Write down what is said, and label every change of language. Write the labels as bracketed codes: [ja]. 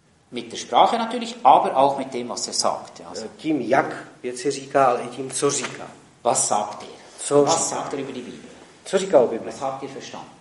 [de] Mit der Sprache natürlich, aber auch mit dem, was er sagt. [cs] Also, tím, jak věci říká, ale i tím, co říká. [de] Was sagt er? [cs] Co [de] was sagt er über die Bibel? [cs] Co říká o Bibli? [de] Was habt ihr verstanden?